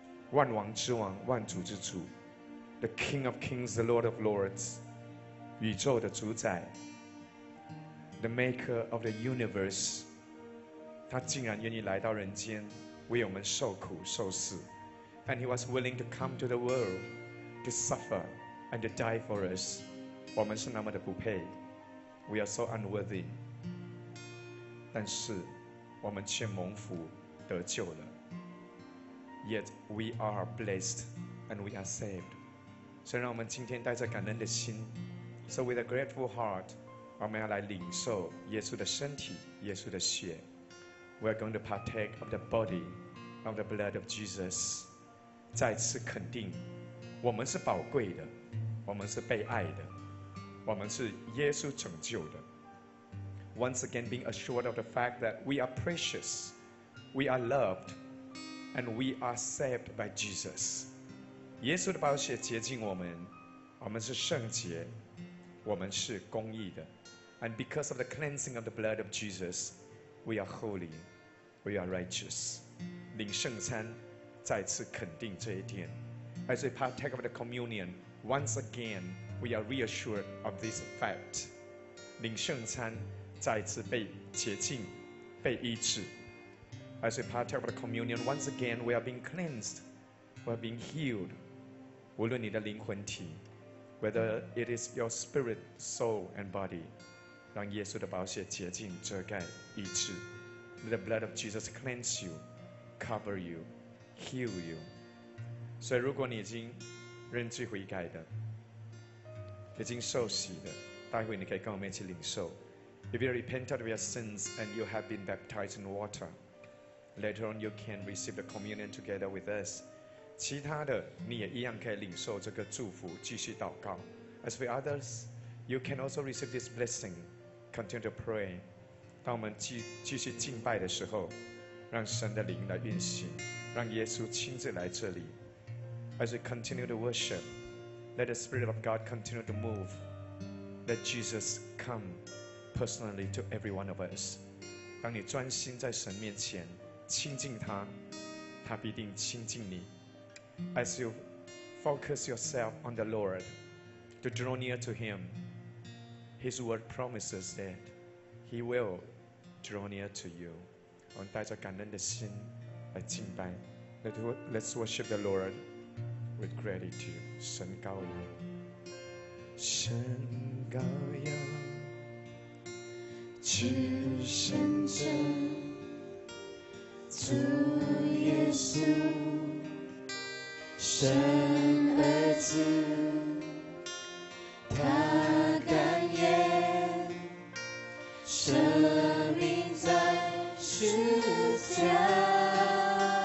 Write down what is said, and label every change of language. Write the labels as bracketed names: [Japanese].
[Chinese] 万王之王，万主之主， [English] The King of Kings, the Lord of Lords, 宇宙的主宰， The Maker of the Universe, [Chinese] 他竟然愿意来到人间为我们受苦受死。 [English] And he was willing to come to the world to suffer and to die for us. [Chinese] 我们是那么的不配。 [English] We are so unworthy. [Chinese] 但是我们却蒙福得救了。 [English] Yet we are blessed and we are saved. [Chinese] 所以让我们今天带着感恩的心。 [English] So with a grateful heart, [Chinese] 我们要来领受耶稣的身体，耶稣的血。 [English] We are going to partake of the body of the blood of Jesus. [Chinese] 再次肯定我们是宝贵的，我们是被爱的，我们是耶稣拯救的。 [English] Once again being assured of the fact that we are precious, we are loved, and we are saved by Jesus. [Chinese] 耶稣的宝血洁净我们，我们是圣洁，我们是公义的。 [English] And because of the cleansing of the blood of Jesus, we are holy, we are righteous. [Chinese] 领圣餐再次肯定这一点。 [English] As we partake of the communion, once again, we are reassured of this fact. [Chinese] 领圣餐，再次被洁净，被医治。 [English] As we partake of the communion, once again, we are being cleansed, we are being healed. [Chinese] 无论你的灵魂体， [English] whether it is your spirit, soul, and body, [Chinese] 让耶稣的宝血洁净、遮盖、医治。 [English] Let the blood of Jesus cleanse you, cover you,Heal you. [Chinese] 所以如果你已经认罪悔改的，已经受洗的，待会你可以跟我们一起领受。 [English] If you repented of your sins and you have been baptized in water, later on you can receive the communion together with us. [Chinese] 其他的你也一样可以领受这个祝福，继续祷告。 [English] As for others, you can also receive this blessing. Continue to pray. [Chinese] 当我们 继续敬拜的时候，让神的灵来运行，让耶稣亲自来这里。 [English] As we continue to worship, let the Spirit of God continue to move. Let Jesus come personally to every one of us. [Chinese] 当你专心在神面前亲近他，他必定亲近你。 [English] As you focus yourself on the Lord to draw near to Him, His word promises that He will draw near to you. [Chinese] 我们带着感恩的心来敬拜。 [English] Let's worship the Lord with gratitude. [Chinese] 神羔羊，神羔羊，至圣者，主耶稣，神儿子，他甘愿舍命在十字架。